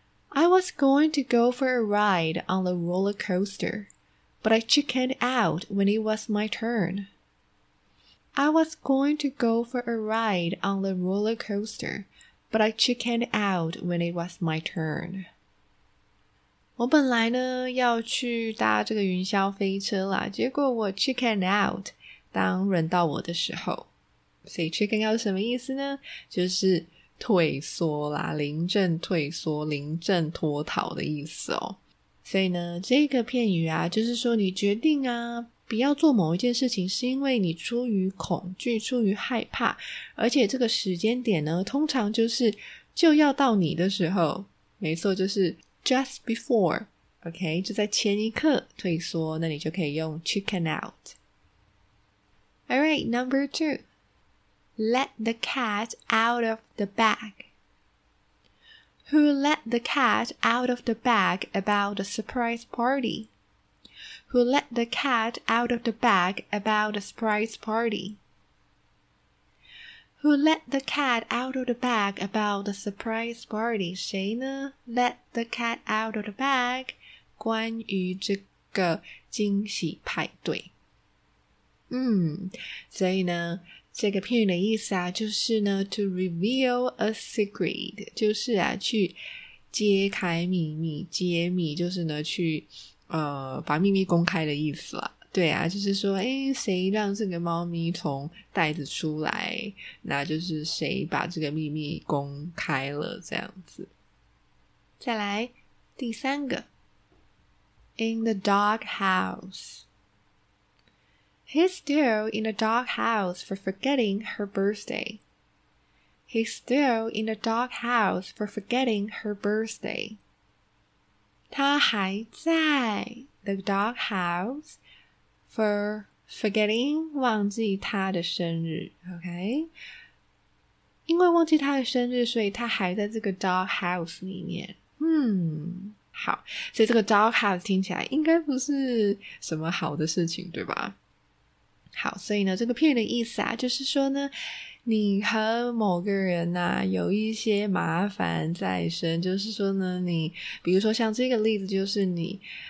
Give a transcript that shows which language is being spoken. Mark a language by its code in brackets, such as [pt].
[en] I was going to go for a ride on the roller coaster, but I chickened out when it was my turn. I was going to go for a ride on the roller coaster, but I chickened out when it was my turn. [zh] 我本来呢要去搭这个云霄飞车啦，结果我 chickened out 当轮到我的时候。所以 chicken out 什么意思呢？就是退缩啦，临阵退缩，临阵脱逃的意思哦。所以呢，这个片语啊，就是说你决定啊，不要做某一件事情，是因为你出于恐惧，出于害怕，而且这个时间点呢，通常就是就要到你的时候，没错，就是 just before， OK， 就在前一刻退缩，那你就可以用 chicken out。 [en] Alright, number two. Let the cat out of the bag. Who let the cat out of the bag about the surprise party? Who let the cat out of the bag about the surprise party? Who let the cat out of the bag about the surprise party? [zh] 谁呢 ？ [en] Let the cat out of the bag. [zh] 关于这个惊喜派对。所以呢？这个片语的意思啊，就是呢 [en] to reveal a secret， [zh] 就是啊去揭开秘密，揭秘就是呢去把秘密公开的意思啦。对啊，就是说谁让这个猫咪从袋子出来，那就是谁把这个秘密公开了这样子。再来第三个 [en] In the doghouseHe's still in the doghouse for forgetting her birthday. He's still in the doghouse for forgetting her birthday. [zh] 他还在 [en] the doghouse for forgetting [zh] 忘记他的生日 ,OK? 因为忘记他的生日，所以他还在这个 doghouse 里面。好，所以这个 doghouse 听起来应该不是什么好的事情，对吧？好，所以呢这个片语的意思啊，就是说呢你和某个人啊有一些麻烦在身，就是说呢你比如说像这个例子，就是你